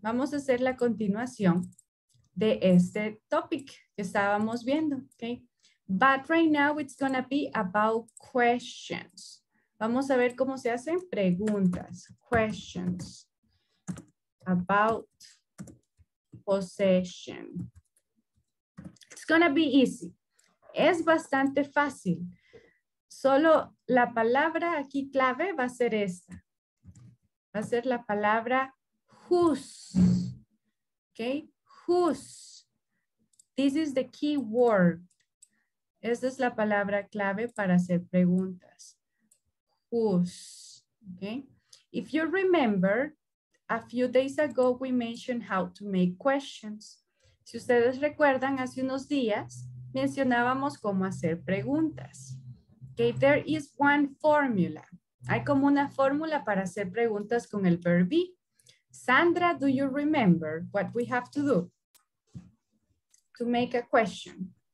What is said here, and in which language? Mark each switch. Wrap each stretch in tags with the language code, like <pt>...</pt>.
<es>Vamos a hacer la continuación de este topic que estábamos viendo, okay?</es> <en>But right now it's going to be about questions.</en> <es>Vamos a ver cómo se hacen preguntas,</es> <en>questions about possession. It's going to be easy.</en> <es>Es bastante fácil. Solo la palabra aquí clave va a ser esta. Va a ser la palabra whose, okay?</es> <en>Whose, this is the key word.</en> <es>Esa es la palabra clave para hacer preguntas.</es> <en>Whose, okay? If you remember, a few days ago we mentioned how to make questions.</en> <es>Si ustedes recuerdan, hace unos días mencionábamos cómo hacer preguntas.</es> <en>Okay, there is one formula.</en> <es>Hay como una fórmula para hacer preguntas con el verb be.</es> <en>Sandra, do you remember what we have to do to make a question?</en>